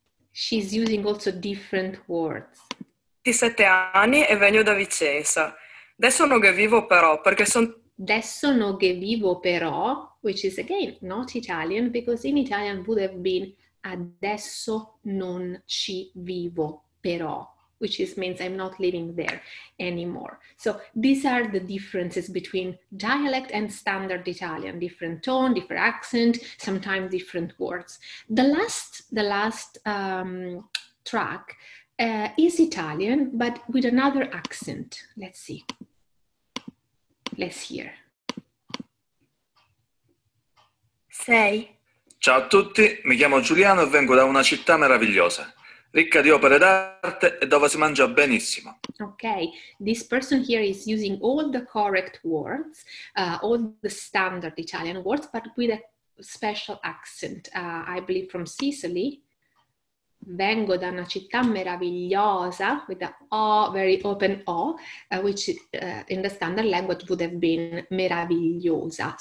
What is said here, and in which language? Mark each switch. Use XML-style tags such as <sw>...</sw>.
<en>She's using also different words.</en> <it>27 anni e vengo da Vicenza. Adesso non che vivo però, perché sono... Adesso non che vivo però,</it> <en>which is again not Italian, because in Italian would have been</en> <it>adesso non ci vivo però,</it> <en>which is means I'm not living there anymore. So these are the differences between dialect and standard Italian. Different tone, different accent, sometimes different words. The last track is Italian, but with another accent. Let's see. Let's hear.</en> <it>Sei. Ciao a tutti, mi chiamo Giuliano e vengo da una città meravigliosa, ricca di opere d'arte e dove si mangia benissimo.</it> <en>Okay, this person here is using all the correct words, all the standard Italian words, but with a special accent, I believe from Sicily.</en> <it>Vengo da una città meravigliosa,</it> <en>with a O, very open O, which in the standard language would have been meravigliosa.</en>